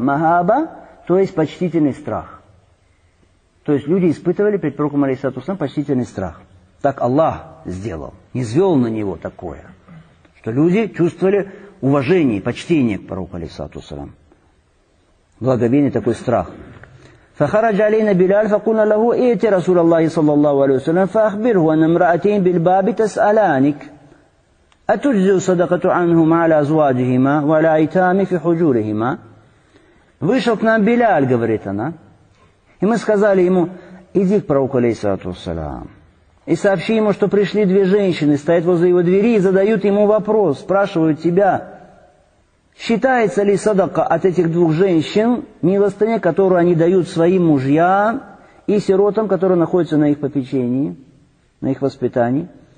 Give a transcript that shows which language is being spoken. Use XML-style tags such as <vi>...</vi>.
<ru>Махаба, то есть почтительный страх. То есть люди испытывали перед пророком алейхиссалату вассалям почтительный страх. Так Аллах сделал, низвел на него такое, что люди чувствовали уважение, почтение к пророку алейхиссалату вассалям. Благовение, такой страх.</ru> <ar>فخرج علينا بلال فقلنا له ائت رسول الله صلى الله عليه وسلم فاخبره ان امراتين بالباب تسالانك اتجزي صدقه عنهما على ازواجهما ولا ايتام في حجورهما.</ar> <ru>Вышел к нам Биляль, говорит она. И мы сказали ему: иди к пророку алейхиссалату вассалям и сообщи ему, что пришли две женщины, стоят возле его двери и задают ему вопрос, спрашивают тебя, считается ли садака от этих двух женщин милостыня, которую они дают своим мужьям и сиротам, которые находятся на их попечении, на их воспитании.</ru>